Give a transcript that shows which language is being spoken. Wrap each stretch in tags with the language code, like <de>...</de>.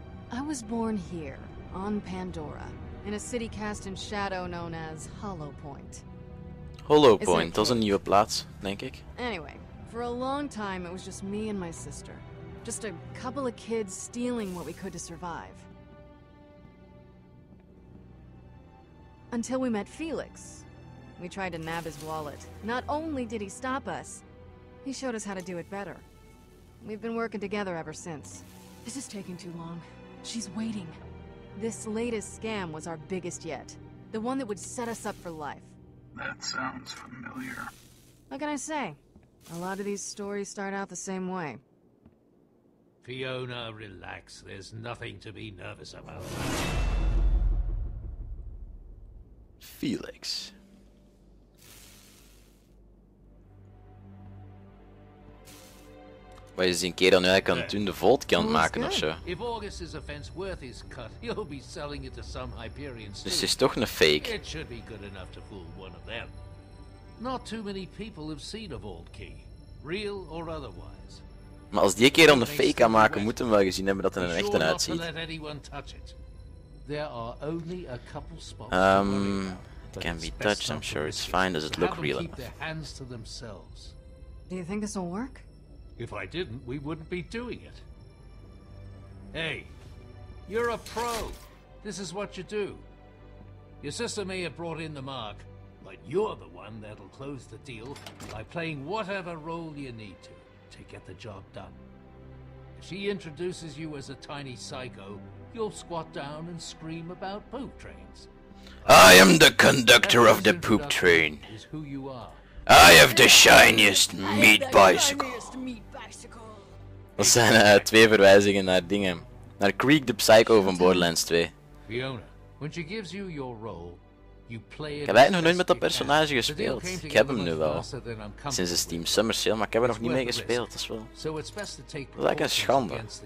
<en>I was born here, on Pandora, in a city cast in shadow known as Hollow Point.</en> <nl>Hollow Point, dat is een nieuwe plaats, denk ik.</nl> <en>Anyway, for a long time it was just me and my sister. Just a couple of kids stealing what we could to survive. Until we met Felix. We tried to nab his wallet. Not only did he stop us, he showed us how to do it better. We've been working together ever since. This is taking too long. She's waiting. This latest scam was our biggest yet. The one that would set us up for life. That sounds familiar. What can I say? A lot of these stories start out the same way. Fiona, relax. There's nothing to be nervous about. Felix.</en> <nl>Wat is een kerel nu eigenlijk aan het doen, de volt kan maken ofzo?</nl> <en>If August's offense worth is cut, he'll be selling it to some Hyperion</en> <nl>student. Dus is toch een fake.</nl> <en>It should be good enough to fool one of them. Not too many people have seen a vault key, real or otherwise.</en> <nl>Maar als die kerel een fake kan maken, moeten we wel gezien hebben dat hij er echt uitziet.</nl> <en>There are only a couple spots. It can be touched, I'm sure it's fine. Does it look real enough? Keep their hands to themselves. Do you think this will work? If I didn't, we wouldn't be doing it. Hey, you're a pro. This is what you do. Your sister may have brought in the mark, but you're the one that'll close the deal by playing whatever role you need to get the job done. If she introduces you as a tiny psycho, you'll squat down and scream about poop trains. I am the conductor of the poop train. Is who you are. I have the shiniest meat bicycle.</en> <nl>Dat zijn twee verwijzingen naar dingen. Naar Creek the Psycho van Borderlands 2.</nl> <en>Fiona, when she gives you your role, you play it.</en> <nl>Ik heb eigenlijk nog nooit met dat personage gespeeld. Ik heb hem nu wel. Sinds de Steam Summer Sale, maar ik heb er nog niet mee gespeeld. Dat is wel. Dat is eigenlijk een schande.</nl>